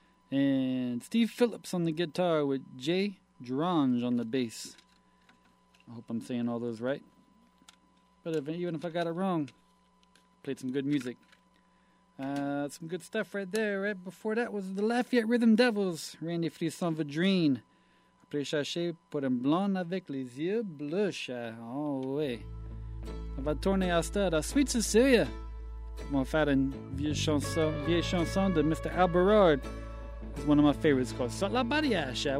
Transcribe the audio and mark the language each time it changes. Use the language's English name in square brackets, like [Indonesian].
[English] And Steve Phillips on the guitar with Jay Drange on the bass. I hope I'm saying all those right. But even if I got it wrong, played some good music. Some good stuff right there. Right before that was the Lafayette Rhythm Devils. Randy Frisson Vadrine. [French] Après chercher pour un blanc avec les yeux bleus. Oh, oui. On va tourner à ça, à Sweet Cecilia. On va faire une vieille chanson de Mr. Al Berard. [English] It's one of my favorites called Salt La Badiasha.